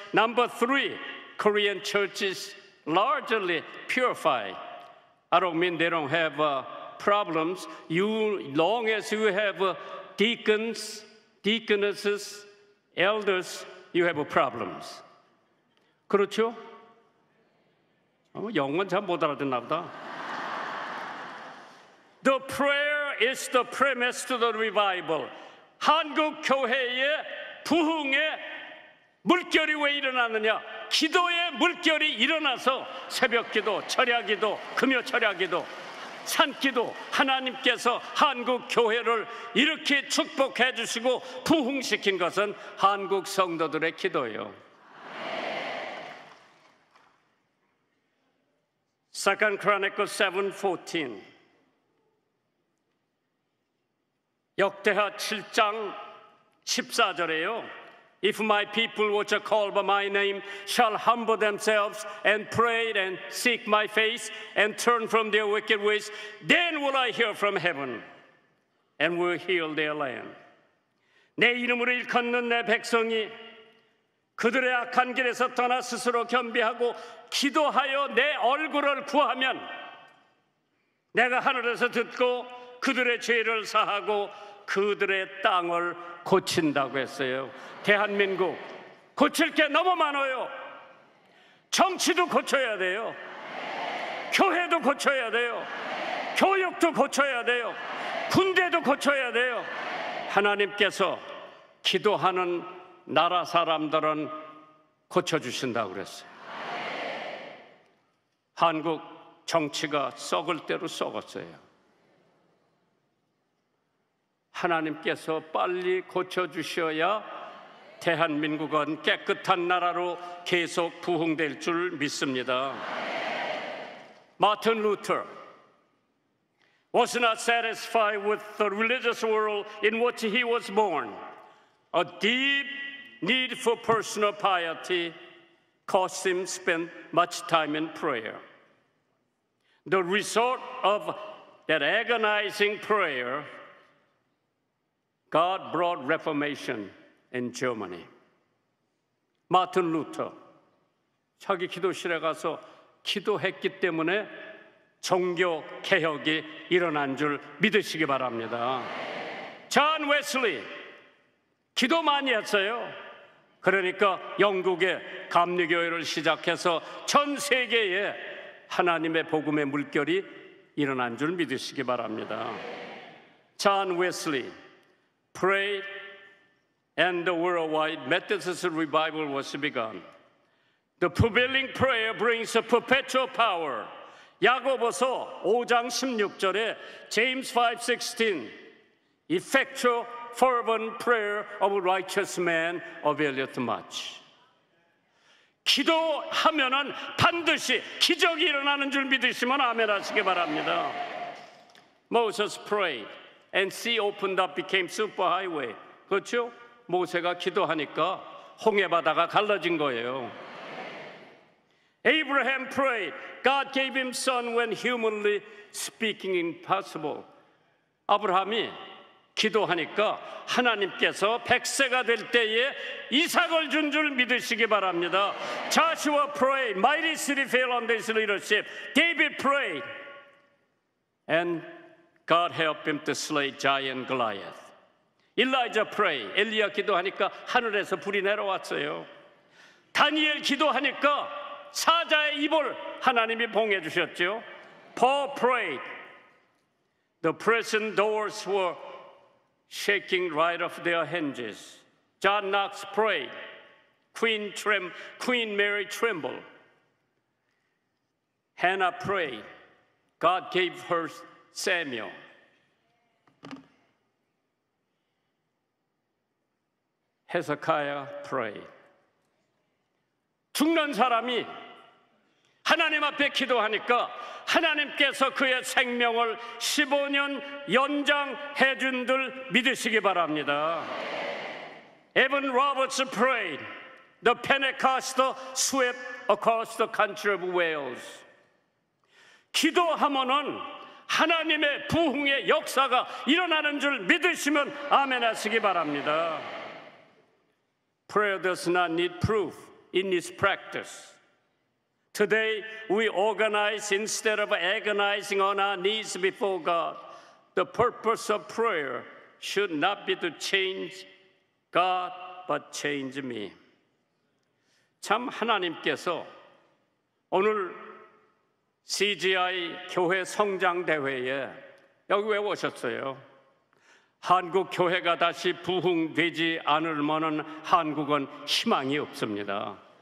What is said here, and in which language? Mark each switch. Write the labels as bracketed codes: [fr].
[en] Number three, Korean church is largely purified. I don't mean they don't have problems. You, long as you have deacons, deaconesses, elders, you have problems. [ko] 그렇죠? 영어는 잘 못 알아듣나 보다. [en] The prayer is the premise to the revival. [ko] 한국 교회의 부흥의 물결이 왜 일어나느냐? 기도의 물결이 일어나서 새벽 기도, 철야 기도, 금요 철야 기도, 참기도 하나님께서 한국 교회를 이렇게 축복해 주시고 부흥시킨 것은 한국 성도들의 기도예요. [en] 2 Chronicles 7:14 [ko] 역대하 7장 14절에요. [en] If my people which are called by my name shall humble themselves and pray and seek my face and turn from their wicked ways, then will I hear from heaven and will heal their land. [ko] 내 이름으로 일컫는 내 백성이 그들의 악한 길에서 떠나 스스로 겸비하고 기도하여 내 얼굴을 구하면 내가 하늘에서 듣고 그들의 죄를 사하고 그들의 땅을 고친다고 했어요. 대한민국 고칠 게 너무 많아요. 정치도 고쳐야 돼요. 교회도 고쳐야 돼요. 교육도 고쳐야 돼요. 군대도 고쳐야 돼요. 하나님께서 기도하는 나라 사람들은 고쳐주신다고 그랬어요. 한국 정치가 썩을 대로 썩었어요. 하나님께서 빨리 고쳐주셔야 대한민국은 깨끗한 나라로 계속 부흥될 줄 믿습니다. [en] 마틴 루터 was not satisfied with the religious world in which he was born. A deep need for personal piety caused him to spend much time in prayer. The result of that agonizing prayer, God brought reformation in Germany. [ko] 마틴 루터, 자기 기도실에 가서 기도했기 때문에 종교 개혁이 일어난 줄 믿으시기 바랍니다. 존 웨슬리, 기도 많이 했어요. 그러니까 영국의 감리교회를 시작해서 전 세계에 하나님의 복음의 물결이 일어난 줄 믿으시기 바랍니다. [en] 존 웨슬리 prayed and the worldwide Methodist revival was begun. The prevailing prayer brings a perpetual power. [ko] 야고보서 5장 16절에 [en] James 5:16 effectual fervent prayer of a righteous man availeth much. [ko] 기도하면은 반드시 기적이 일어나는 줄 믿으시면 아멘 하시기 바랍니다. [en] Moses prayed and sea opened up became superhighway. [ko] 그렇죠? 모세가 기도하니까 홍해바다가 갈라진 거예요. [en] Abraham prayed. God gave him son when humanly speaking impossible. [ko] 아브라함이 기도하니까 하나님께서 백세가 될 때에 이삭을 준 줄 믿으시기 바랍니다. [en] Joshua prayed. Mighty city fell on this leadership. David prayed. And God helped him to slay giant Goliath. Elijah prayed. [ko] 엘리야 기도하니까 하늘에서 불이 내려왔어요. 다니엘 기도하니까 사자의 입을 하나님이 봉해 주셨죠. [en] Paul prayed. The prison doors were shaking right off their hinges. John Knox prayed. Queen Mary trembled. Hannah prayed. God gave her Samuel. Hezekiah prayed. [ko] 죽는 사람이 하나님 앞에 기도하니까 하나님께서 그의 생명을 15년 연장해 준 들 믿으시기 바랍니다. [en] Evan Roberts prayed. The Pentecost swept across the country of Wales. [ko] 기도하면은 하나님의 부흥의 역사가 일어나는 줄 믿으시면 아멘 하시기 바랍니다. [en] Prayer does not need proof in its practice. Today we organize instead of agonizing on our knees before God. The purpose of prayer should not be to change God, but change me. [ko] 참 하나님께서 오늘 CGI 교회 성장 대회에 여기 왜 오셨어요? 한국 교회가 다시 부흥되지 않을만한 한국은 희망이 없습니다.